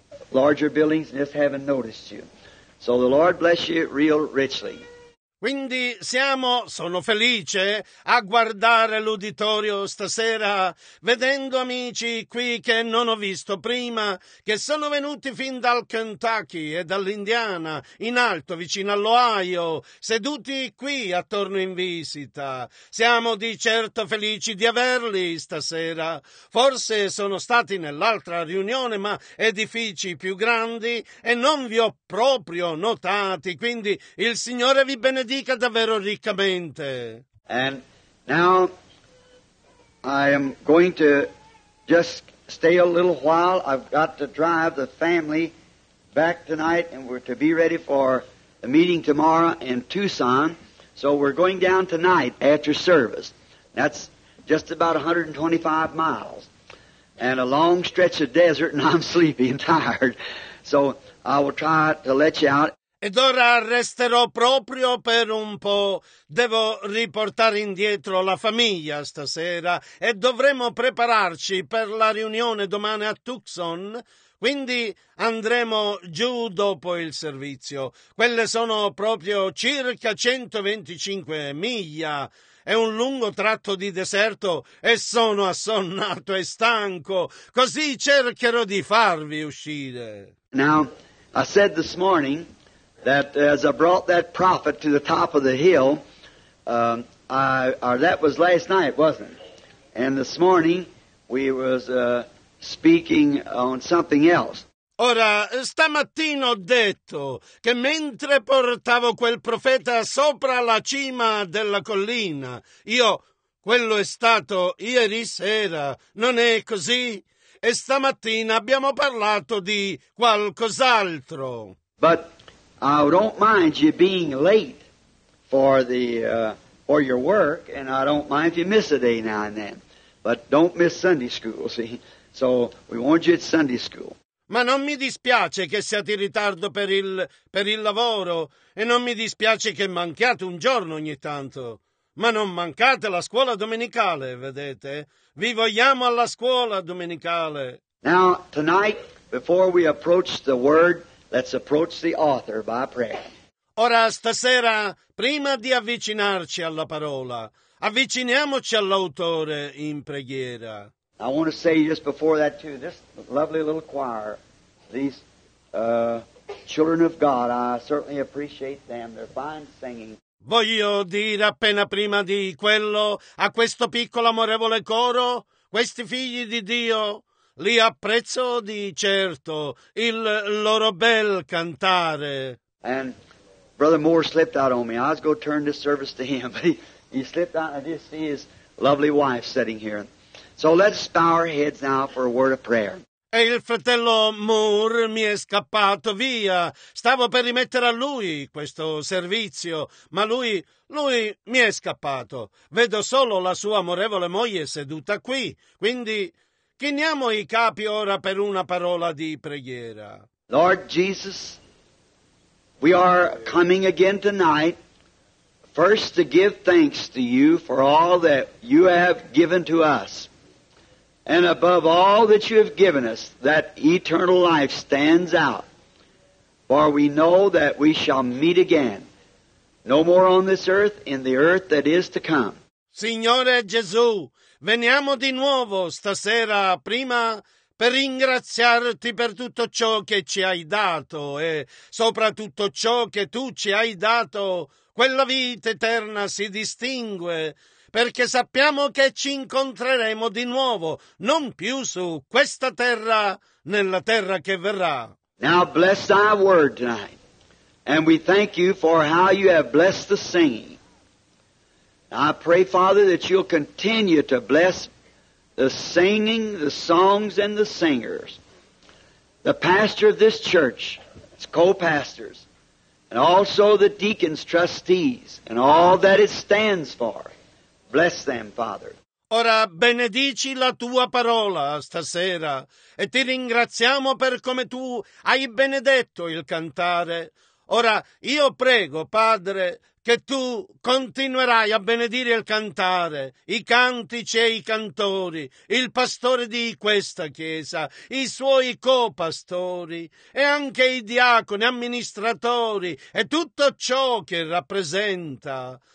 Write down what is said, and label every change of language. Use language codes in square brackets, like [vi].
[en] larger buildings, just haven't noticed you. So the Lord bless you real richly. [it] Quindi sono felice a guardare l'uditorio stasera, vedendo amici qui che non ho visto prima, che sono venuti fin dal Kentucky e dall'Indiana, in alto vicino all'Ohio, seduti qui attorno in visita. Siamo di certo felici di averli stasera. Forse sono stati nell'altra riunione, ma edifici più grandi e non vi ho proprio notati, quindi il Signore vi benedica. Dica davvero riccamente. [en] And now I am going to just stay a little while. I've got to drive the family back tonight, and we're to be ready for a meeting tomorrow in Tucson. So we're going down tonight after service. That's just about 125 miles and a long stretch of desert, and I'm sleepy and tired. So I will try to let you out. [it] Ed ora resterò proprio per un po'. Devo riportare indietro la famiglia stasera e dovremo prepararci per la riunione domani a Tucson. Quindi andremo giù dopo il servizio. Quelle sono proprio circa 125 miglia. È un lungo tratto di deserto e sono assonnato e stanco. Così cercherò di farvi uscire. [en] Now, I said this morning that as I brought that prophet to the top of the hill, that was last night, wasn't it? And this morning we was speaking on something else. [it] Ora, stamattina ho detto che mentre portavo quel profeta sopra la cima della collina, quello è stato ieri sera, non è così? E stamattina abbiamo parlato di qualcos'altro. [en] But I don't mind you being late for the for your work, and I don't mind if you miss a day now and then. But don't miss Sunday school, see? So we want you at Sunday school. [it] Ma non mi dispiace che siate in ritardo per il lavoro, e non mi dispiace che manchiate un giorno ogni tanto. Ma non mancate la scuola domenicale, vedete? Vi vogliamo alla scuola domenicale. [en] Now, tonight, before we approach the word, let's approach the author by prayer. [it] Ora stasera, prima di avvicinarci alla parola, avviciniamoci all'autore in preghiera. [en] I want to say just before that too, this lovely little choir, these children of God, I certainly appreciate them. They're fine singing. [it] Voglio dire appena prima di quello a questo piccolo amorevole coro, questi figli di Dio, li apprezzo di certo, il loro bel cantare. [en] And Brother Moore slipped out on me. I was going to turn this service to him, but he slipped out. I just see his lovely wife sitting here. So let's bow our heads now for a word of prayer. [it] E il fratello Moore mi è scappato via. Stavo per rimettere a lui questo servizio, ma lui mi è scappato. Vedo solo la sua amorevole moglie seduta qui, quindi chiniamo i capi ora per una parola di preghiera. [en] Lord Jesus, we are coming again tonight first to give thanks to you for all that you have given to us. And above all that you have given us, that eternal life stands out. For we know that we shall meet again, no more on this earth, in the earth that is to come. [it] Signore Gesù, veniamo di nuovo stasera prima per ringraziarti per tutto ciò che ci hai dato e soprattutto ciò che tu ci hai dato. Quella vita eterna si distingue perché sappiamo che ci incontreremo di nuovo, non più su questa terra, nella terra che verrà. [en] Now bless thy word tonight, and we thank you for how you have blessed the singing. I pray, Father, that you'll continue to bless the singing, the songs, and the singers, the pastor of this church, its co-pastors, and also the deacons, trustees, and all that it stands for. Bless them, Father. [it] Ora benedici la tua parola stasera, e ti ringraziamo per come tu hai benedetto il cantare. Ora io prego, Padre, che tu continuerai a benedire il cantare, i cantici e i cantori, il pastore di questa chiesa, i suoi copastori e anche i diaconi, amministratori e tutto ciò che rappresenta.